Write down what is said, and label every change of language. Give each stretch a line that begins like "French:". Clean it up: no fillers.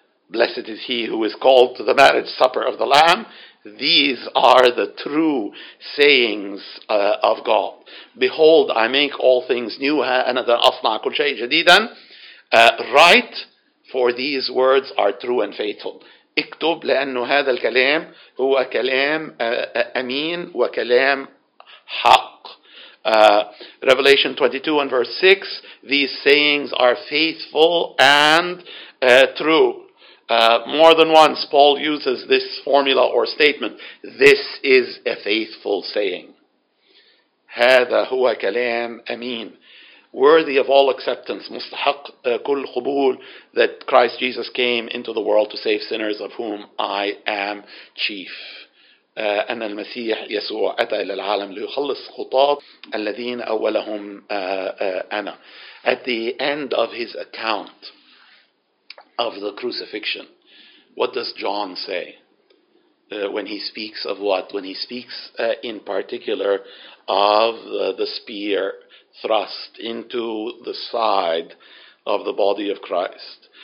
English: Blessed is he who is called to the marriage supper of the Lamb. These are the true sayings of God. Behold, I make all things new. Write, for these words are true and faithful.
Arabic: اكتب لأنه هذا الكلام هو كلام أمين وكلام حق.
English: Revelation 22 and verse 6, these sayings are faithful and true. More than once, Paul uses this formula or statement. This is a faithful saying.
Arabic: هذا هو كلام أمين.
English: Worthy of all acceptance,
Arabic: مستحق كل قبول,
English: that Christ Jesus came into the world to save sinners, of whom I am chief.
Arabic: أن المسيح يسوع أتى إلى العالم ليخلص خطاة الذين أولهم أنا.
English: At the end of his account of the crucifixion, what does John say when he speaks of what? When he speaks in particular of the spear thrust into the side of the body of Christ.